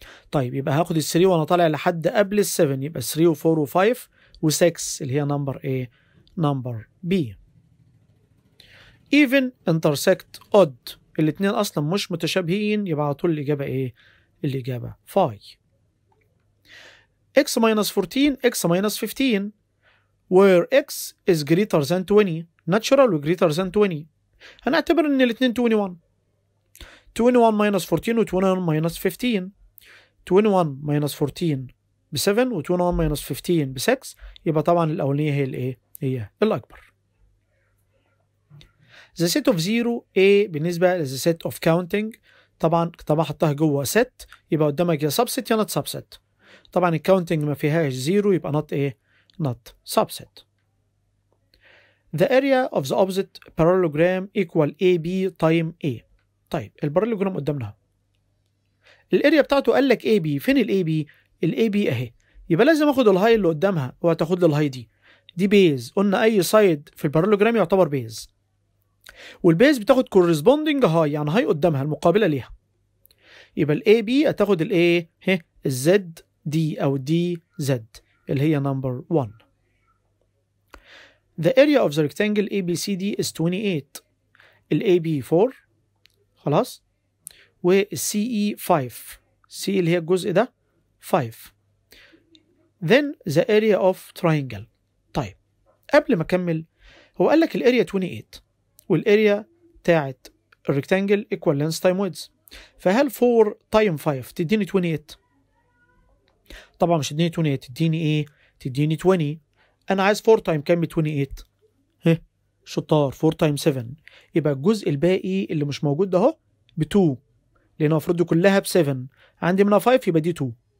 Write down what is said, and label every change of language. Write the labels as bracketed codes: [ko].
[ar] طيب يبقى هاخد السري وانا طالع لحد قبل السفن، يبقى سري وفور وفايف وسكس اللي هي نمبر ايه نمبر بي. [en] even intersect odd، [ar] الاثنين اصلا مش متشابهين، يبقى على طول الاجابه ايه الاجابه فاي. [en] x minus 14 x minus 15 where x is greater than 20 natural و greater than 20 [ar] هنعتبر ان الاثنين 21. [en] 21 minus 14 [ar] و [en] 21 minus 15 [ar] 21 minus 14 ب 7 و 21 minus 15 ب 6 يبقى طبعا الاولانيه هي الايه هي الاكبر. [en] The set of zero A [ar] بالنسبة للthe [en] set of counting [ar] طبعا طبعا حطها جوه [en] set، [ar] يبقى قدامك يا [en] subset يا not subset. [ar] طبعا counting ما فيهاش zero يبقى [en] not A not subset. The area of the opposite parallelogram equal AB time A. [ar] طيب البارالوجرام قدامنا الاريا بتاعته قال لك AB، فين الAB؟ الAB اهي، يبقى لازم اخد الهاي اللي قدامها وهتاخد الهاي دي، دي بيز، قلنا اي سايد في البارالوجرام يعتبر بيز، والبيز بتاخد كورسبوندنج هاي، يعني هاي قدامها المقابله ليها، يبقى الاي بي هتاخد الاي هي الزد دي او دي زد اللي هي نمبر 1. [en] The area of the rectangle ABCD is 28. [ar] الاي بي 4 خلاص والسي اي 5، سي اللي هي الجزء ده 5. [en] Then the area of triangle. [ar] طيب قبل ما اكمل، هو قال لك الاريا 28 والاريا بتاعت الريكتانجل ايكوال لينث تايم ويدز، فهل 4 تايم 5 تديني 28؟ طبعا مش تديني 28، تديني ايه؟ تديني 20. انا عايز 4 تايم كام 28؟ ها شطار، 4 تايم 7 يبقى الجزء الباقي اللي مش موجود ده اهو ب 2، لان المفروض كلها ب 7، عندي منها 5 يبقى دي 2.